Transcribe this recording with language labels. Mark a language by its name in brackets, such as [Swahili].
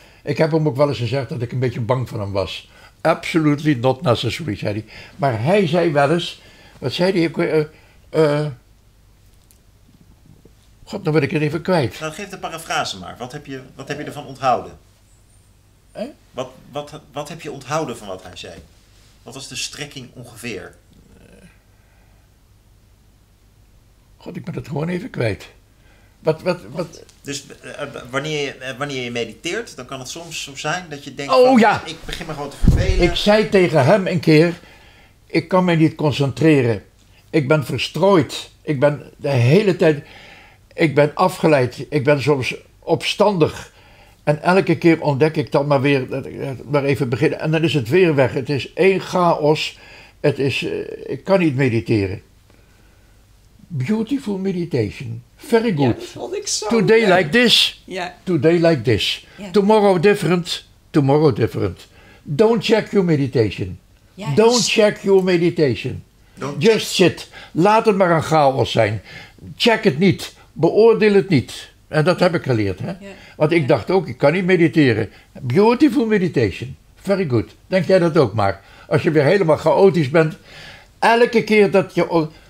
[Dutch] Ik heb hem ook wel eens gezegd dat ik een beetje bang van hem was. [English] Absolutely not necessary, [Dutch] zei hij. Maar hij zei wel eens, wat zei hij? God, dan ben ik het even kwijt. Nou, geef de parafrase maar. Wat heb je ervan onthouden? Wat heb je onthouden van wat hij zei? Wat was de strekking ongeveer? God, ik ben het gewoon even kwijt. Wat? Dus wanneer je mediteert, dan kan het soms zo zijn dat je denkt, ik begin me gewoon te vervelen. Ik zei tegen hem een keer, ik kan mij niet concentreren. Ik ben verstrooid. Ik ben de hele tijd, ik ben afgeleid. Ik ben soms opstandig. En elke keer ontdek ik dan maar even beginnen. En dan is het weer weg. Het is één chaos. Ik kan niet mediteren. [English] Beautiful meditation. Very good. [Dutch] Ja, dat vond ik zo. [English] Today [Dutch] leuk. [English] Like this. [Dutch] Ja. [English] Today like this. Ja. Tomorrow different. Tomorrow different. Don't check your meditation. Ja, don't check your meditation. Don't just sit. [Dutch] Laat het maar een chaos zijn. Check het niet. Beoordeel het niet. En dat heb ik geleerd. Hè? Ja. Want ik dacht ook, ik kan niet mediteren. [English] Beautiful meditation. Very good. [Dutch] Denk jij dat ook maar. Als je weer helemaal chaotisch bent. Elke keer dat je...